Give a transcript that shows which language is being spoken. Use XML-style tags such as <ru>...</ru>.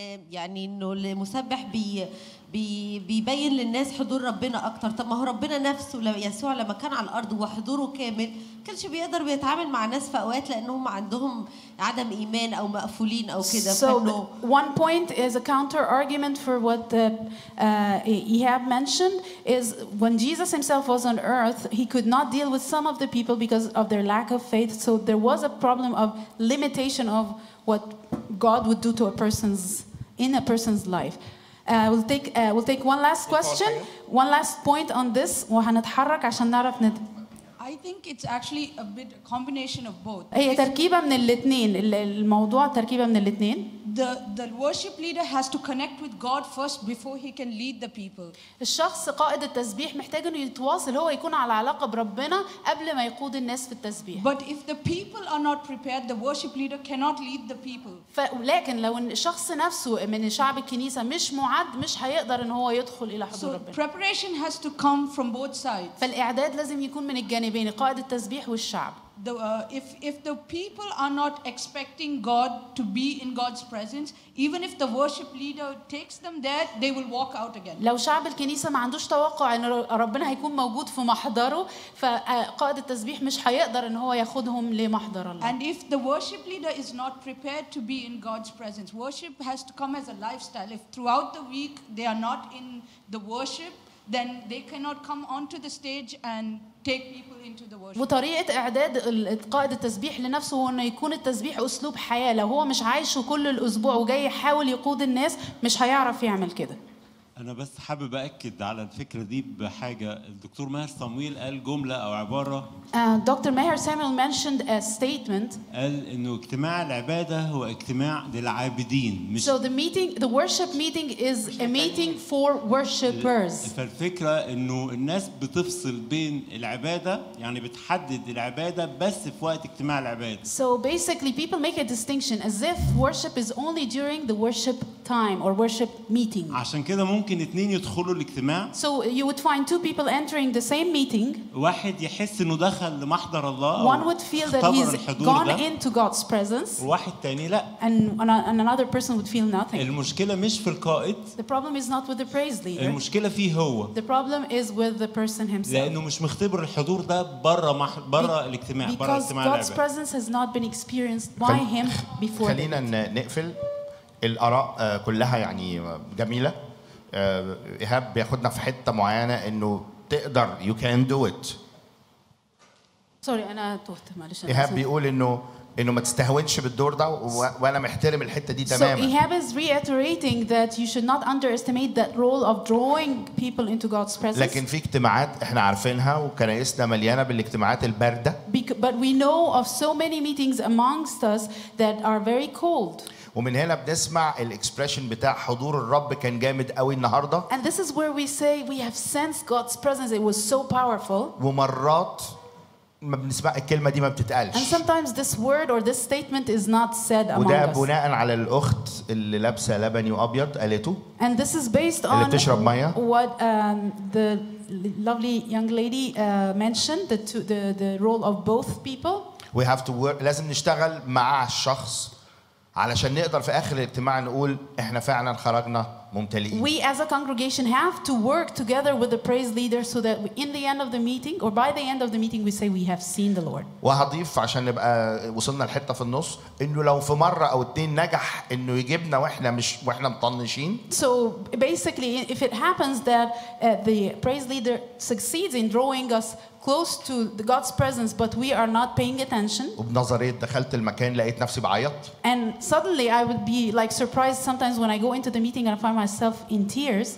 <ar>يعني إنه المسبح بيبين للناس حضور ربنا أكتر طب ما هو ربنا نفسه يسوع لما كان على الأرض وحضوره كامل كانش بيقدر بيتعامل مع ناس في أوقات لأنهم عندهم عدم إيمان أو مقفولين أو كده</ar> <en>So one point is a counter argument for what Ehab mentioned is when Jesus himself was on earth he could not deal with some of the people because of their lack of faith so there was a problem of limitation of what God would do to a person's in a person's life. We'll take one last question, one last point on this.</en> <ar>وهنتحرك عشان نعرف ند.</ar> <en>I think it's actually a bit combination of both.</en> <ar>هي تركيبة من الاثنين. الموضوع تركيبة من الاثنين.</ar> <en>the worship leader has to connect with God first before he can lead the people.</en> <ar>الشخص قائد التسبيح محتاج انه يتواصل هو يكون على علاقه بربنا قبل ما يقود الناس في التسبيح.</ar> <en>But if the people are not prepared, the worship leader cannot lead the people.</en> <ar>لكن لو الشخص نفسه من شعب الكنيسه مش معد مش هيقدر ان هو يدخل الى حضور ربنا.</ar> <en>So preparation has to come from both sides.</en> <ar>فالاعداد لازم يكون من الجانبين قائد التسبيح والشعب.</ar> <en>If the people are not expecting God to be in God's presence, even if the worship leader takes them there, they will walk out again.</en> <ar>لو شعب الكنيسة ما عندوش توقع إن ربنا هيكون موجود في محضره، فقائد التسبيح مش هيقدر إن هو ياخدهم لمحضر الله.</ar> <en>And if the worship leader is not prepared to be in God's presence, worship has to come as a lifestyle. If throughout the week they are not in the worship, then they cannot come onto the stage and take people into the worship.</en> <ar>وطريقه اعداد قائد التسبيح لنفسه هو انه يكون التسبيح اسلوب حياه لو هو مش عايش كل الاسبوع وجاي يحاول يقود الناس مش هيعرف يعمل كده. انا بس حابب اكد على الفكره دي بحاجه الدكتور ماهر صامويل قال جمله او عباره</ar> <en>doctor Maher Samuel mentioned a statement</en> <ar>قال انه اجتماع العباده هو اجتماع للعابدين مش</ar> <en>so the meeting the worship meeting is a meeting for worshipers</en> <ar>فالفكره انه الناس بتفصل بين العباده يعني بتحدد العباده بس في وقت اجتماع العباده</ar> <en>so basically people make a distinction as if worship is only during the worship time or worship meeting</en> <ar>عشان كده ممكن اتنين يدخلوا الاجتماع</ar> <en>so you would find two people entering the same meeting</en> <ar>واحد يحس انه دخل لمحضر الله</ar> <en>one would feel that he's gone into God's presence</en> <ar>وواحد تاني لا</ar> <en>and another person would feel nothing</en> <ar>المشكله مش في القائد</ar> <en>the problem is not with the praise leader</en> <ar>المشكله فيه هو</ar> <en>the problem is with the person himself</en> <ar>لانه مش مختبر الحضور ده بره بره الاجتماع بره الاجتماع</ar> <en>because God's presence has not been experienced by him before</en> <ar>خلينا نقفل الاراء كلها يعني جميله إيهاب بياخدنا في حتة معينة إنه تقدر</ar> <en>you can do it.</en> <ar>سوري أنا توهت معلش. إيهاب بيقول إنه ما تستهونش بالدور ده وأنا محترم الحتة دي تماما.</ar> <en>So Ihab is reiterating that you should not underestimate that role of drawing people into God's presence.</en> <ar>لكن في اجتماعات إحنا عارفينها وكنائسنا مليانة بالاجتماعات الباردة.</ar> <en>But we know of so many meetings amongst us that are very cold.</en> <ar>ومن هنا بنسمع الاكسبريشن بتاع حضور الرب كان جامد قوي النهارده</ar> <en>and this is where we say we have sensed God's presence it was so powerful</en> <ar>ومرات ما بنسمع الكلمه دي ما بتتقالش</ar> <en>and sometimes this word or this statement is not said</en> <ar>وده بناء على الاخت اللي لابسه لبني وابيض قالته</ar> <en>and this is based on</en> <ar>اللي بتشرب ميه</ar> <en>what the lovely young lady mentioned the role of both people we have to work</en> <ar>لازم نشتغل مع الشخص علشان نقدر في اخر الاجتماع نقول احنا فعلا خرجنا ممتلئين</ar> <en>We as a congregation have to work together with the praise leader so that in the end of the meeting or by the end of the meeting we say we have seen the Lord</en> <ar>وهضيف عشان نبقى وصلنا لحته في النص انه لو في مره او اتنين نجح انه يجيبنا واحنا مطنشين</ar> <en>So basically if it happens that the praise leader succeeds in drawing us close to the God's presence but we are not paying attention</en> <ar>وبنظريه دخلت المكان لقيت نفسي بعيط</ar> <en>and suddenly I would be like surprised sometimes when I go into the meeting and I find myself in tears</en>